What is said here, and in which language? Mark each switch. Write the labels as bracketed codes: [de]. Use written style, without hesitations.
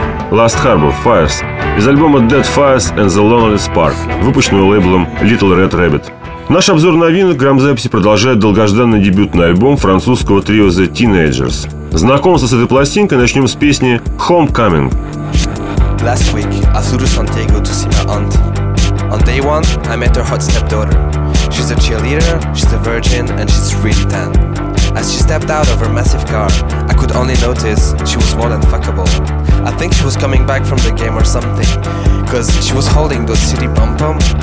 [ru] Last Harbor Fires из альбома Dead Fires and the Lonely Spark, выпущенного лейблом Little Red Rabbit. Наш обзор новинок грамзаписи продолжает долгожданный дебютный альбом французского трио The Teenagers. Знакомство с этой пластинкой начнем с песни Homecoming. [en] Last week I flew to San Diego to see my auntie. On day one I met her hot stepdaughter. She's a cheerleader, she's a virgin and she's really tan. As she stepped out of her massive car, I could only notice she was more than fuckable. I think she was coming back from the game or something, cause she was holding those city pom-pom.